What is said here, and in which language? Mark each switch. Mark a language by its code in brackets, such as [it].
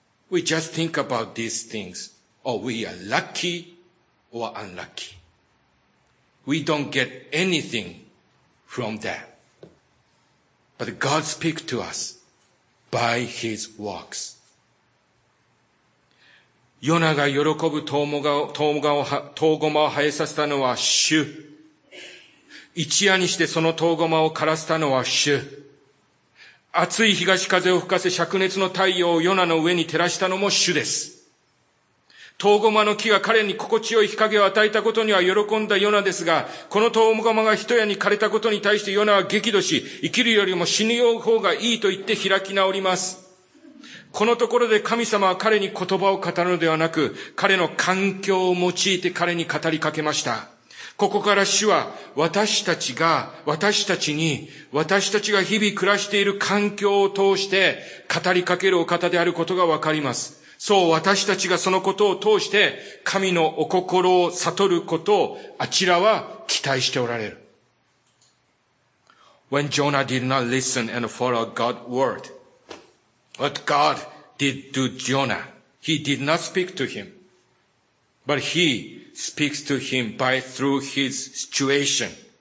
[en] We just think about these things. Oh, we are lucky or unlucky. We don't get anything from that. But God speaks to us by his works. [ja] ヨナが喜ぶトウゴマを生えさせたのは主。一夜にしてそのトウゴマを枯らせたのは主。暑い東風を吹かせ灼熱の太陽をヨナの上に照らしたのも主です。トウゴマの木が彼に心地よい日陰を与えたことには喜んだヨナですが、このトウゴマが一夜に枯れたことに対してヨナは激怒し、生きるよりも死ぬ方がいいと言って開き直ります。このところで神様は彼に言葉を語るのではなく、彼の環境を用いて彼に語りかけました。ここから主は私たちが日々暮らしている環境を通して語りかけるお方であることがわかります。そう、私たちがそのことを通して神のお心を悟ることをあちらは期待しておられる。 [en] When Jonah did not listen and follow God's word,What God did to Jonah, he did not speak to him, but he speaks to him by through his situation.